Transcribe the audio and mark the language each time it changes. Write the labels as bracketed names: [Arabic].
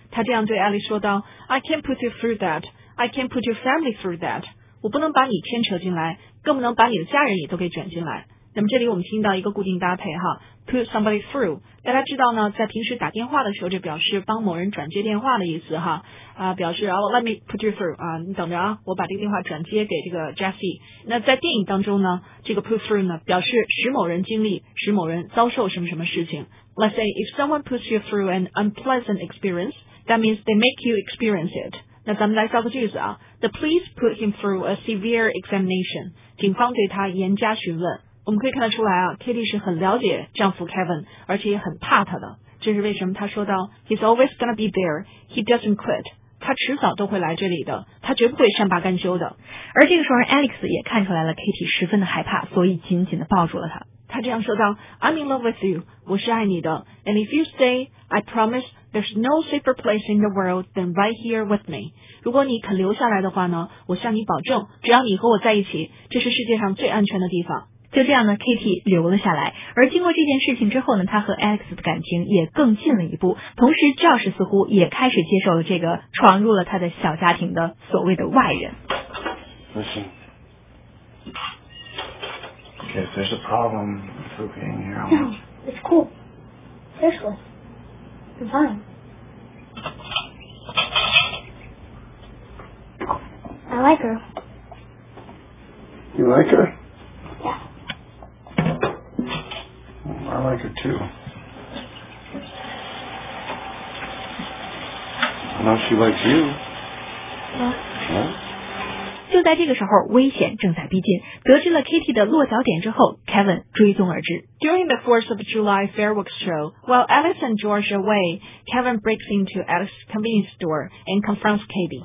[Chinese] 他这样对 Alex 说道 ： [English] “I can't put you through that. I can't put your family through that. [Chinese] 我不能把你牵扯进来，更不能把你的家人也都给卷进来。” 那么这里我们听到一个固定搭配哈 ，put somebody through。大家知道呢，在平时打电话的时候，就表示帮某人转接电话的意思哈，表示哦 ， [English] let me put you through [Chinese] 啊，你等着啊，我把这个电话转接给这个 Jesse。那在电影当中呢，这个 put through 呢，表示使某人经历，使某人遭受什么什么事情。 [English] Let's say if someone puts you through an unpleasant experience, that means they make you experience it。 [Chinese] 那咱们来造个句子啊 [English] ，The police put him through a severe examination。 [Chinese] 警方对他严加询问。我们可以看得出来啊 ，Katie 是很了解丈夫 Kevin， 而且也很怕他的。这是为什么？她说道 [English] ，He's always gonna be there. He doesn't quit. [Chinese] 他迟早都会来这里的，他绝不会善罢甘休的。而这个时候 ，Alex 也看出来了 ，Katie 十分的害怕，所以紧紧的抱住了他。他这样说道 ， [English] I'm in love with you. [Chinese] 我是爱你的。 [English] And if you stay, I promise there's no safer place in the world than right here with me. [Chinese] 如果你肯留下来的话呢，我向你保证，只要你和我在一起，这是世界上最安全的地方。就这样呢 ，Katie 留了下来。而经过这件事情之后呢，她和 Alex 的感情也更近了一步。同时 ，Josh 似乎也开始接受了这个闯入了他的小家庭的所谓的外人。 [English] Listen, okay, if there's a problem with being here, no, it's cool. It's useless. I'm fine. I like her. You like her? Yeah. I like her too. I know she likes you. Yeah. Yeah. [Chinese] 就在这个时候，危险正在逼近。得知了 Katie 的落脚点之后 ，Kevin 追踪而至。 [English] During the 4th of July fireworks show, while Alice and George are away, Kevin breaks into Alice's convenience store and confronts Katie.